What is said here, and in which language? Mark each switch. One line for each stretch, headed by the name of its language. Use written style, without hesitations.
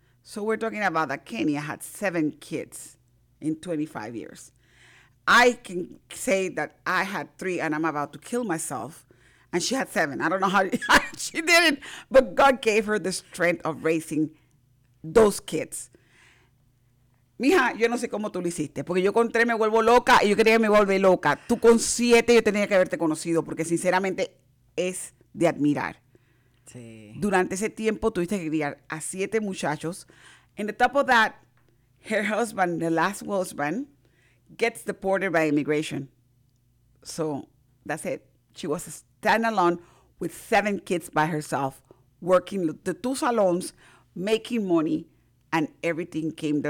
English: So we're talking about that Kenya had 7 kids in 25 years. I can say that I had 3 and I'm about to kill myself. and she had seven. I don't know how she did it, but God gave her the strength of raising those kids.
Spanish: Mija, yo no sé cómo tú lo hiciste, porque yo con tres me vuelvo loca y yo creía que me volví loca. Tú con siete yo tenía que haberte conocido, porque sinceramente es de admirar. Sí. Durante ese tiempo tuviste que criar a siete muchachos.
English: In the top of that, her husband, the last husband, gets deported by immigration. So that's it. She was stand alone with seven kids by herself, working the two salons, making money, and everything came.